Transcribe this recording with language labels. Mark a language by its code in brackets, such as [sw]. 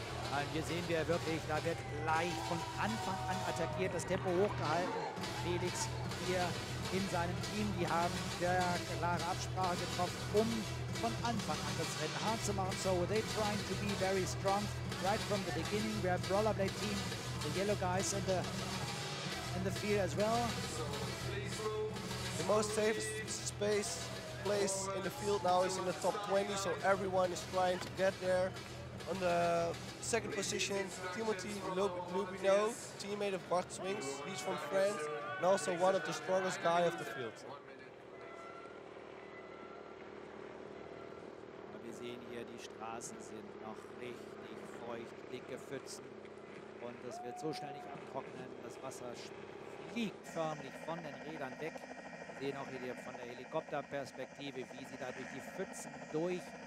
[de] Und hier sehen wir wirklich, da wird leicht von Anfang an attackiert, das Tempo hochgehalten. Felix hier in seinem Team, die haben sehr klare Absprache getroffen, um von Anfang an das Rennen hart zu machen. [en] So they trying to be very strong right from the beginning. We have Rollerblade Team, the yellow guys in the field as well. The most safest space place in the field now is in the top 20, so everyone is trying to get there. On the second position, Timothy Lubino, teammate of Bart Swings, he's from France, and also one of the strongest guys of the field. [de] Wir sehen hier, die Straßen sind noch richtig feucht, dicke Pfützen, und das wird so schnell nicht abtrocknen. Das Wasser fliegt förmlich von den Rädern weg. Wir sehen auch hier von der Helikopterperspektive, wie sie da durch die Pfützen durch.